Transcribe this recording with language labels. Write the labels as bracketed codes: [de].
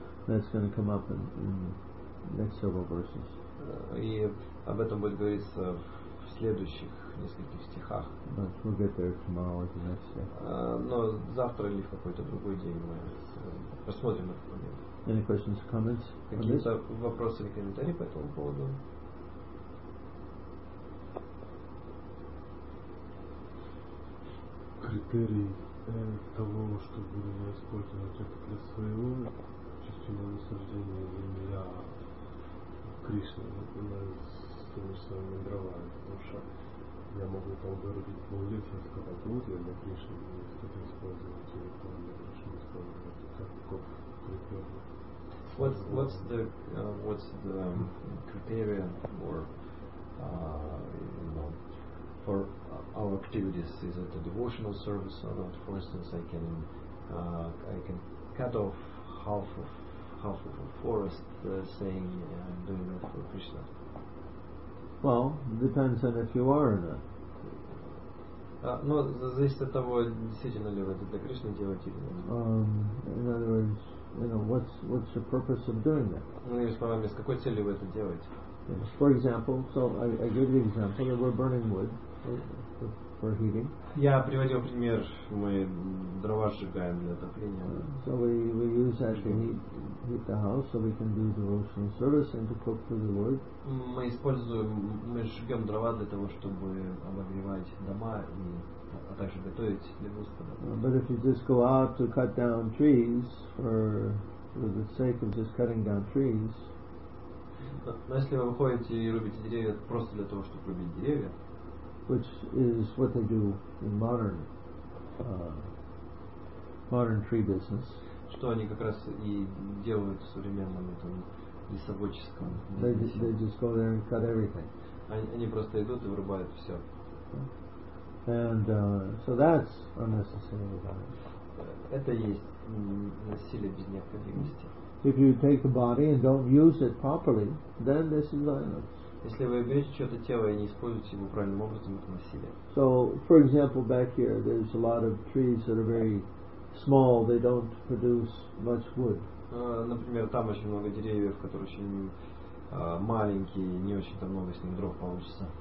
[en] That's going to come up in the next several verses. [ru] И об этом будет говориться в следующих нескольких стихах. [en] But we'll get there tomorrow or the next day. [ru] Но завтра или в какой-то другой день мы посмотрим этот момент. [en] Any questions or comments? [ru] Какие-то вопросы или комментарии по этому поводу? Критерии того, чтобы не использовать это для своего чистого наслаждения земля Кришны, например, потому что я могу там говорить более сказать, для Кришны что-то использовать или там для Кришны использовать как критерий. [en] What's the criteria or you know for our activities? Is it a devotional service or not? For instance, I can cut off half of a forest saying I'm doing that for Krishna. Well, it depends on if you are or not. [ru] Ну, зависит от того, действительно ли вы это для Кришны делаете или нет. [en] In other words, you know, what's your purpose of doing that? [ru] Ну, иными словами, с какой целью вы это делаете? [en] Yes. For example, so I give you an example that we're burning wood for heating. [ru] Я приводил пример, мы дрова сжигаем для отопления. [en] So we use that to heat the house so we can do devotional service and to cook for the Lord. [ru] Мы сжигаем дрова для того, чтобы обогревать дома, а также готовить для Господа. [en] But if you just go out to cut down trees for the sake of just cutting down trees, [ru] Но если вы выходите и рубите деревья просто для того, чтобы рубить деревья, [en] which is what they do in modern modern tree business, [ru] что они как раз и делают в современном этом лесоводческом [en] бизнесе. They just go there and cut everything. [ru] Они просто идут и вырубают все. [en] And so that's unnecessary violence. [ru] Это есть насилие без необходимости. [en] If you take a body and don't use it properly, then this is violence. [ru] Если вы берете чье-то тело и не используете его правильным образом, это насилие. [en] So, for example, back here, there's a lot of trees that are very small. They don't produce much wood. [ru] Например, там очень много деревьев, которые очень маленькие, не очень-то много с них дров получится.